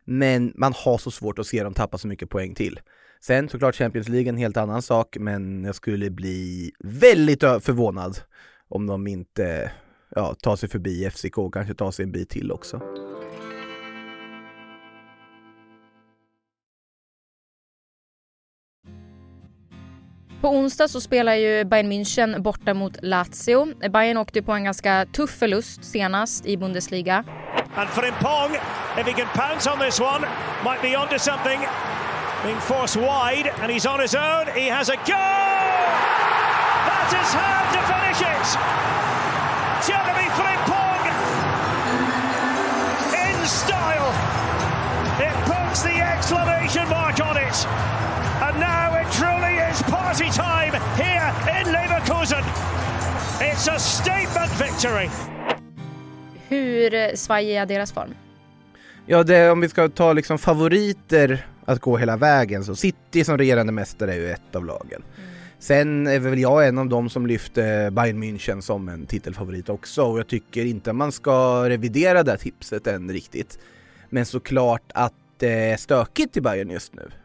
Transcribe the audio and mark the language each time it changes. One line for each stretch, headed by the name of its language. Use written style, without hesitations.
Swedish: Men man har så svårt att se dem tappa så mycket poäng till. Sen såklart Champions League är en helt annan sak, men jag skulle bli väldigt förvånad om de inte tar sig förbi FCK och kanske tar sig en bit till också. På onsdag så spelar ju Bayern München borta mot Lazio. Bayern åkte på en ganska tuff förlust senast i Bundesliga.
English: And Frimpong, if he can pounce on this one, might be onto something. Being forced wide and he's on his own. He has a goal! That is hard to finish it! Jeremy Frimpong! In style! It puts the exclamation mark on it! And now truly is party time here in Leverkusen. It's a statement victory.
Swedish: Hur svajar deras form? Ja, det, om vi ska ta liksom favoriter att gå hela vägen, så City som regerande mästare är ju ett av lagen. Sen är väl jag en av dem som lyfte Bayern München som en titelfavorit också, och jag tycker inte man ska revidera det tipset än riktigt. Men såklart att det är stökigt i Bayern just nu.